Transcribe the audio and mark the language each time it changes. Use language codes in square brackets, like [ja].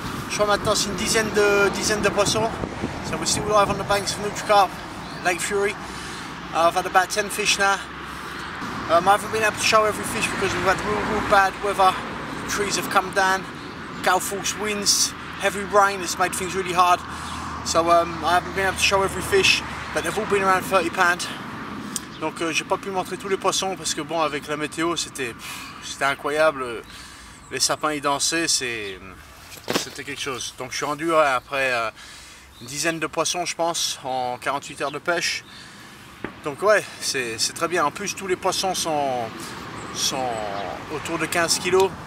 [fr] Je crois maintenant c'est une dizaine de poissons. [en] So we're still live on the banks of Nutricarp, Lake Fury. I've had about 10 fish now. I haven't been able to show every fish because we've had real bad weather. The trees have come down, gale force winds, heavy rain has made things really hard. So I haven't been able to show every fish, but they've all been around 30 pounds. [fr] Donc j'ai pas pu montrer tous les poissons parce que bon, avec la météo, c'était incroyable. Les sapins y dansaient, c'était quelque chose. Donc je suis rendu après une dizaine de poissons, je pense, en 48 heures de pêche. Donc ouais, c'est très bien. En plus, tous les poissons sont autour de 15 kilos.